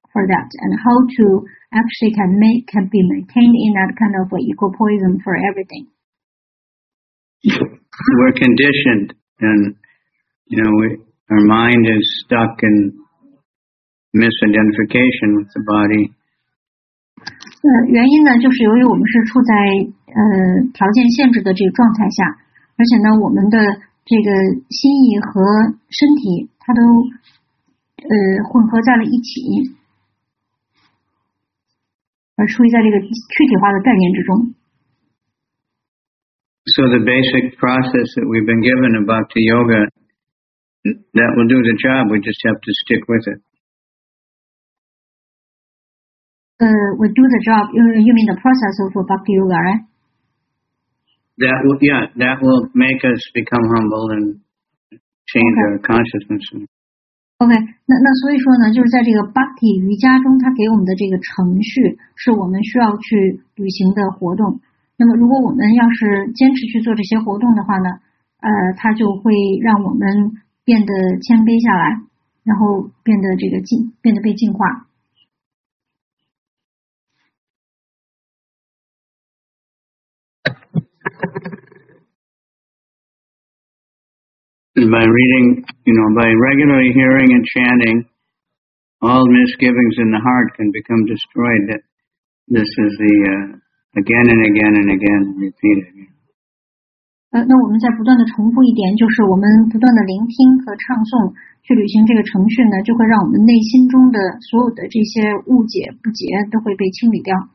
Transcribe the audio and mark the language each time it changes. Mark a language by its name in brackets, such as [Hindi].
[English] For that, and how to actually can be maintained in that kind of equipoise for everything. We're conditioned, and you know, our mind is stuck in misidentification with the body. [Chinese] 原因呢，就是由于我们是处在条件限制的这个状态下，而且呢，我们的这个心意和身体它都混合在了一起。而处于在这个具体化的概念之中。 [English] So the basic process that we've been given about the yoga, that will do the job. We just have to stick with it. We do the job. You mean the process of bhakti yoga, right? That will make us become humble and change our consciousness. [Chinese] OK， 那所以说呢，就是在这个 Bhakti 瑜伽中，它给我们的这个程序是我们需要去履行的活动。那么，如果我们要是坚持去做这些活动的话呢，它就会让我们变得谦卑下来，然后变得这个变得被净化。 [English] by reading, you know, by regularly hearing and chanting, all misgivings in the heart can become destroyed. That this is the again and again and again repeated. [Chinese] 那我们再不断的重复一点，就是我们不断的聆听和唱诵，去履行这个程序呢，就会让我们内心中的所有的这些误解、不解都会被清理掉。